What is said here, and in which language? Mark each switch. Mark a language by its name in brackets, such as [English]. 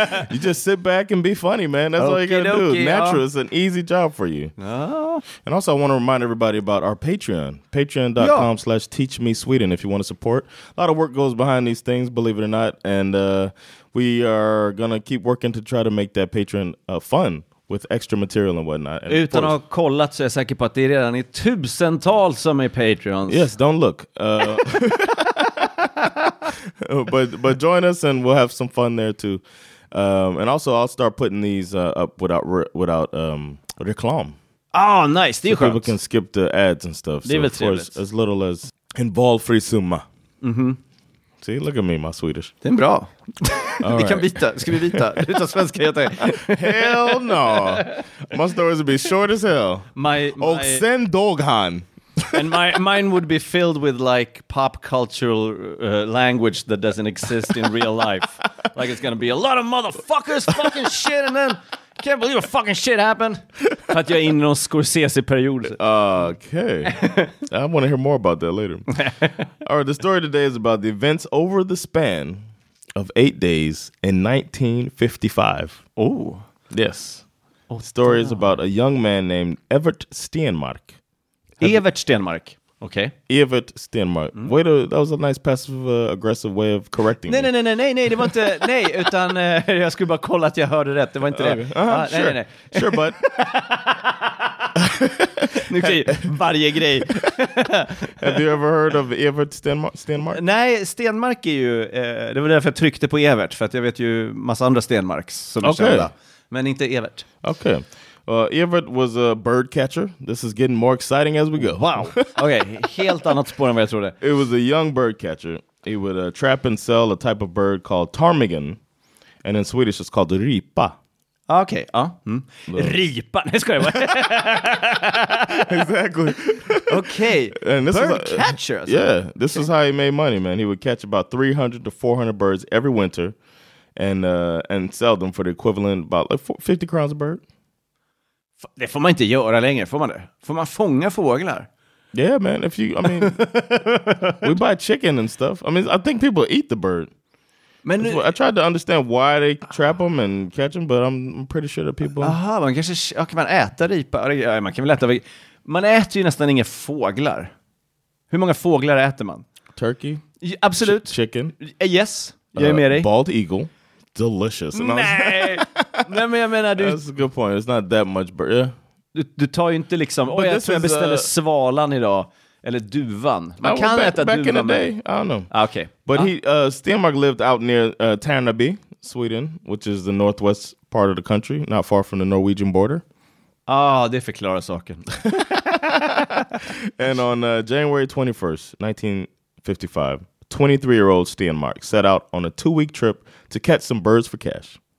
[English] You just sit back and be funny, man. That's all you got to do. Natural. It's an easy job for you. And also, I want to remind everybody about our Patreon. Patreon.com/teachmesweden if you want to support. A lot of work goes behind these things, believe it or not. And we are going to keep working to try to make that Patreon fun. With extra material and whatnot. And [Swedish] utan att ha kollat så är jag säker på att det redan är tusentals som är Patreons. [English] Yes, don't look. but join us and we'll have some fun there too. And also I'll start putting these up without reklam. Oh, nice. [Swedish] Det är skönt. [English] So people can skip the ads and stuff. [Swedish] Det är väl trevligt. [English] As little as involve free summa. Mm-hmm. See, look at me, my Swedish. [Swedish] Det är bra. Vi kan byta. Ska vi byta? Utan svenska heter det. [English] Hell no. My stories would be short as hell. [Swedish] Och sen doghan. [English] And mine would be filled with like pop cultural language that doesn't exist in real life. Like it's gonna be a lot of motherfuckers fucking shit and then can't believe a fucking shit happened. [Swedish] För att jag är inne i någon Scorsese-period. [English] Okay. I want to hear more about that later. All right, the story today is about the events over the span of 8 days in 1955. Oh. Yes. Oh, the story is about a young man named Evert Stenmark. Evert Stenmark. Okay. Evert Stenmark. Mm. Wait, that was a nice passive aggressive way of correcting me. [Swedish] Nej, det var inte nej, utan jag skulle bara kolla att jag hörde rätt. Det var inte det. [English] Uh-huh, nej. Sure, bud. [Swedish] Nu kan jag varje grej. [English] Have you ever heard of Evert Stenmark? [Swedish] Nej, Stenmark är ju det var därför jag tryckte på Evert, för att jag vet ju massa andra Stenmarks som är kända. Men inte Evert. [English] Okay. Evert was a bird catcher. This is getting more exciting as we go. Wow. Okay. [Swedish] Helt annat spår än vad jag trodde. [English] It was a young bird catcher. He would trap and sell a type of bird called ptarmigan. And in Swedish, it's called ripa. [Swedish] Okay. Ripa. Nej, skoja. [English] Exactly. Okay. And this bird catcher. Yeah. This is how he made money, man. He would catch about 300 to 400 birds every winter and sell them for the equivalent of about like 50 crowns a bird. [Swedish] Det får man inte göra längre, får man det? Får man fånga fåglar? [English] Yeah, man. If you, I mean, we buy chicken and stuff. I mean, I think people eat the bird. Men, I tried to understand why they trap them and catch them, but I'm pretty sure that people. [Swedish] Aha, man, kanske, ja, kan man äta ripa? Ja, man kan väl äta. Man äter ju nästan inga fåglar. Hur många fåglar äter man? [English] Turkey. [Swedish] Ja, absolut. [English] Chicken. [Swedish] Yes. Jag är med dig. [English] Bald eagle. Delicious. [Swedish] Nej. Nej, men jag menar du. [English] That's a good point. It's not that much bird. Yeah. [Swedish] Du tar ju inte liksom. Oh, jag tror jag beställer svalan idag. Eller duvan. Man kan äta [English] back [Swedish] duvan. [English] Back in the day, I don't know. Ah, okay. But Stenmark lived out near Tärnaby, Sweden, which is the northwest part of the country, not far from the Norwegian border. [Swedish] Ah, det förklarar saken. [English] And on January 21st, 1955, 23-year-old Stenmark set out on a 2-week trip to catch some birds for cash.